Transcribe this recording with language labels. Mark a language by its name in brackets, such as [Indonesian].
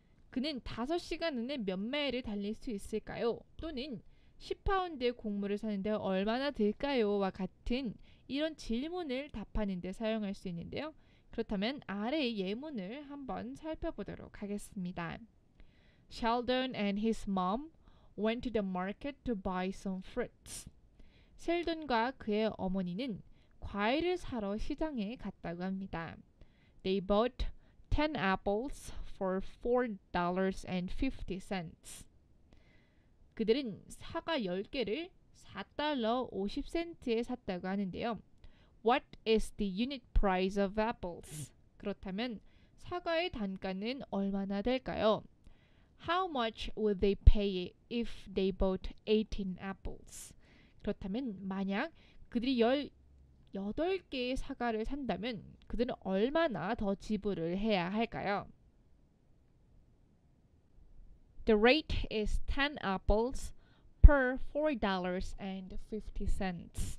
[Korean] 그는 5시간 안에 몇 마일을 달릴 수 있을까요? 또는 10파운드의 곡물을 사는데 얼마나 들까요? 와 같은 이런 질문을 답하는 데 사용할 수 있는데요. 그렇다면 아래의 예문을 한번 살펴보도록 하겠습니다. [English] Sheldon and his mom went to the market to buy some fruits. [Korean] 셸던과 그의 어머니는 과일을 사러 시장에 갔다고 합니다. [English] They bought 10 apples for $4.50. [Korean] 그들은 사과 10개를 4달러 50센트에 샀다고 하는데요. [English] What is the unit price of apples? [Korean] 그렇다면 사과의 단가는 얼마나 될까요? [English] How much would they pay if they bought 18 apples? [Korean] 그렇다면 만약 그들이 18개의 사과를 산다면 그들은 얼마나 더 지불을 해야 할까요? [English] The rate is 10 apples per $4.50.